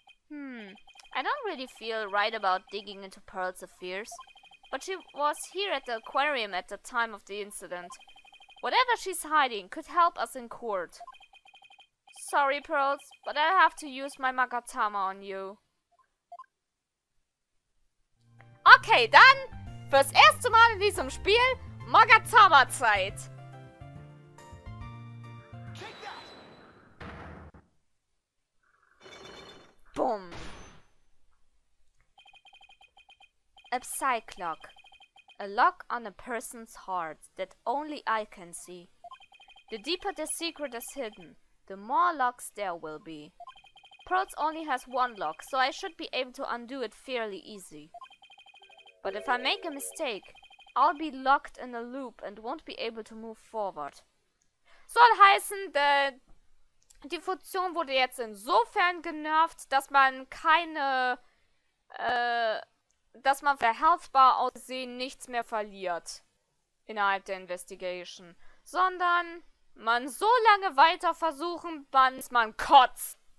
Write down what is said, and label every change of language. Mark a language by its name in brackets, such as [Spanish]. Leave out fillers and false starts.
[English] I don't really feel right about digging into Pearls' affairs. But she was here at the aquarium at the time of the incident. Whatever she's hiding could help us in court. Sorry, Pearls, but I'll have to use my Magatama on you. [German] Okay, dann fürs erste Mal in diesem Spiel Magazama-Zeit. Boom. [English] A Psy-Clock. A lock on a person's heart that only I can see. The deeper the secret is hidden, the more locks there will be. Pearls only has one lock, so I should be able to undo it fairly easy. But if I make a mistake, I'll be locked in a loop and won't be able to move forward. [German] Soll heißen, die Funktion wurde jetzt insofern genervt, dass man keine, dass man verhelfbar aussehen nichts mehr verliert innerhalb der Investigation, sondern man so lange weiter versuchen, bis man kotzt.